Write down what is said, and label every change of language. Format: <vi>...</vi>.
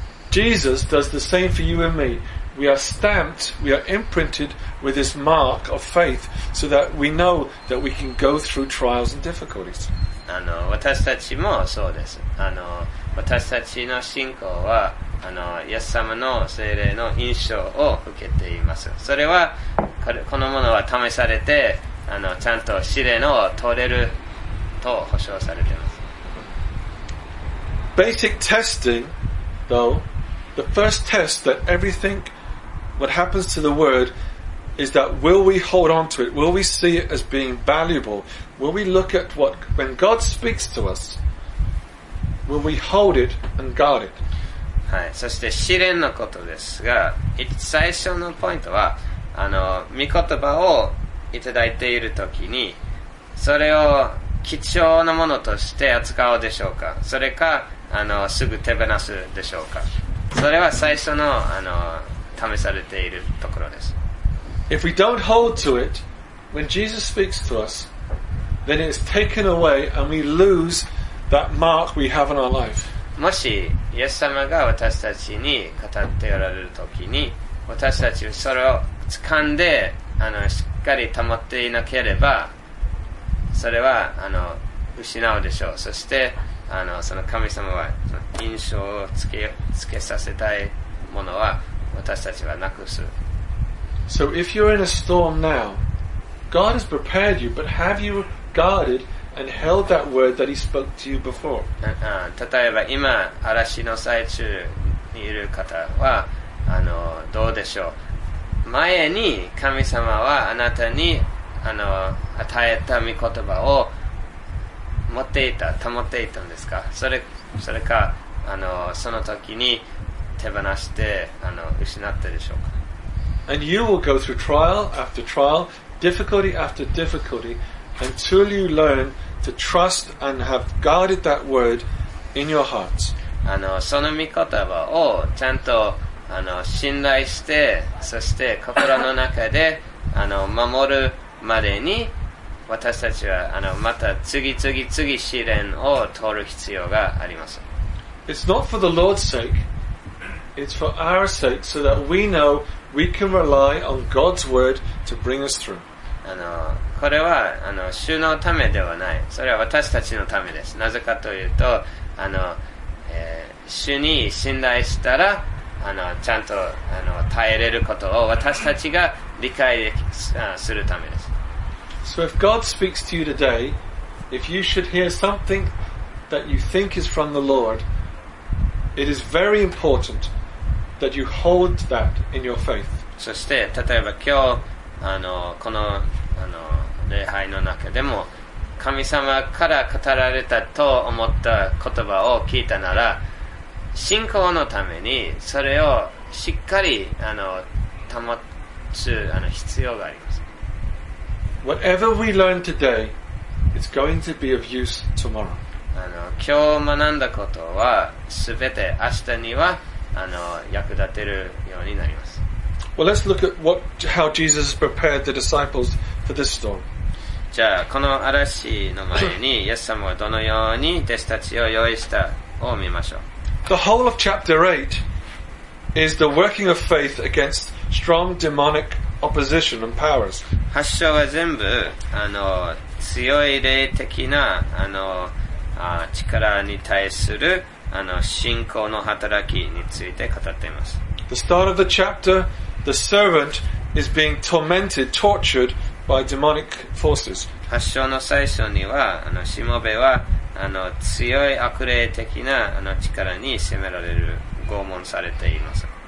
<en>Jesus does the same for you and me. We are stamped, we are imprinted with this mark of faith so that we know that we can go through trials and difficulties.</en> <ja>あの、私たちもそうです。あの、私たちの信仰は、あの、イエス様の聖霊の印象を受けています。それは、このものは試されて、あの、ちゃんと試練を取れると保証されています。</ja> <en>Basic testing, though, the first test that everything, what happens to the word, is that will we hold on to it? Will we see it as being valuable? Will we look at what, when God speaks to us, will we hold it and guard it?</en> <ja>はい、そして試練のことですが、最初のポイントは、あの、御言葉をいただいているときに、それを貴重なものとして扱うでしょうか、それか、あの、すぐ手放すでしょうか。それは最初の、あの、試されているところです。</ja> <en>If we don't hold to it, when Jesus speaks to us, then it's taken away and we lose that mark we have in our life.</en> <ja>もし、イエス様が私たちに語っておられるときに、私たちはそれを掴んで、あの、しっかり保っていなければ、それは、あの、失うでしょう。そして、あの、その神様は、印象をつけさせたいものは、私たちはなくす。</ja> <en>So if you're in a storm now, God has prepared you, but have you guarded? And held that word that he spoke to you before.</en> <ja>例えば今嵐の最中にいる方はあのどうでしょう。前に神様はあなたにあの与えた御言葉を持っていた、保っていたんですか。それかあのその時に手放してあの失ったでしょうか。</ja> <en>And you will go through trial after trial, difficulty after difficulty. Until you learn to trust and have guarded that word in your hearts.</en> <ja>あの、その御言葉をちゃんと、あの、信頼して、そして心の中で、あの、守るまでに、私たちは、あの、また次試練を通る必要があります。</ja> <en>It's not for the Lord's sake. It's for our sake so that we know we can rely on God's word to bring us through.</en> <ja>あの、これは、あの、主のためではない。それは私たちのためです。なぜかというと、あの、主に信頼したら、あの、ちゃんと、あの、耐えれることを私たちが理解できするためです。</ja> <en>So if God speaks to you today, if you should hear something that you think is from the Lord, it is very important that you hold that in your faith.</en> <ja>そして、例えば今日、あのこ の, あの礼拝の中でも神様から語られたと思った言葉を聞いたなら信仰のためにそれをしっかりあの保つあの必要があります。</ja> <en>Whatever we learn today is going to be of use tomorrow.</en> <ja>あの今日学んだことはすべて明日にはあの役立てるようになります。</ja> <en>Well, let's look at what, how Jesus prepared the disciples for this storm.</en> <ja>じゃあこの嵐の前にイエス様はどのように弟子たちを用意したを見ましょう。</ja> <en>The whole of chapter 8 is the working of faith against strong demonic opposition and powers.</en> <ja>8章は全部あの強い霊的なあの力に対するあの信仰の働きについて語っています。</ja> <en>The start of the chapter. The servant is being tormented, tortured by demonic forces.</en> <ja>8章の最初には、あの、しもべは、あの、強い悪霊的な、あの、力に攻められる、拷問されています。</ja>